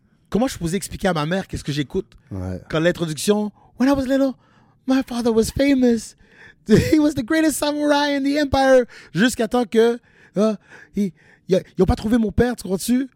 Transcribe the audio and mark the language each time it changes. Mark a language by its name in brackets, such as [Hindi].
[French] Comment je pouvais expliquer à ma mère qu'est-ce que j'écoute? Ouais. Quand l'introduction, [English] when I was little, my father was famous. He was the greatest samurai in the empire. [French] Jusqu'à temps que. Ils n'ont pas trouvé mon père, tu crois-tu?